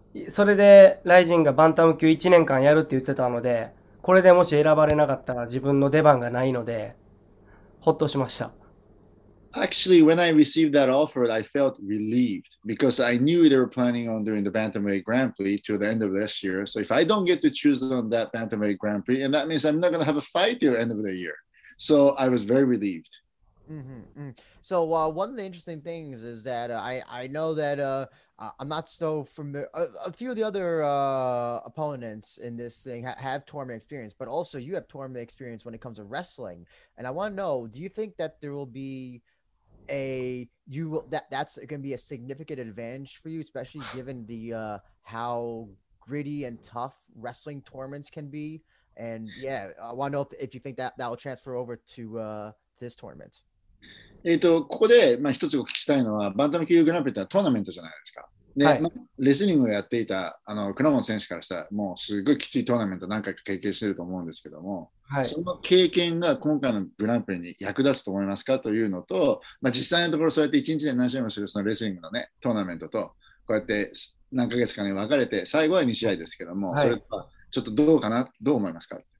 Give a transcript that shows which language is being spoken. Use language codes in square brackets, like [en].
[ja] それでライジンがバンタム級1年間やるって言ってたので、これでもし選ばれなかったら自分の出番がないので、ほっとしました。 [en] Actually, when I received that offer, I felt relieved because I knew they were planning on doing the Bantamweight Grand Prix till the end of this year. So if I don't get to choose on that Bantamweight Grand Prix, and that means I'm not going to have a fight till the end of the year. So I was very relieved. So one of the interesting things is that I know that I'm not so familiar. A few of the other opponents in this thing have tournament experience, but also you have tournament experience when it comes to wrestling. And I want to know, do you think that there will be that's going to be a significant advantage for you, especially given the how gritty and tough wrestling tournaments can be? And yeah, I want to know if you think that will transfer over to this tournament. [ja] ここで、まあ、一つお聞きしたいのは、バンタム級グランプリってトーナメントじゃないですか。で、はい、まあ、レスリングをやっていた倉本選手からしたら、もうすごいきついトーナメント何回か経験してると思うんですけども、その経験が今回のグランプリに役立つと思いますかというのと、まあ、実際のところそうやって1日で何試合もするそのレスリングのね、トーナメントと、こうやって何ヶ月かに分かれて、最後は2試合ですけども、それとはちょっとどうかな、どう思いますか？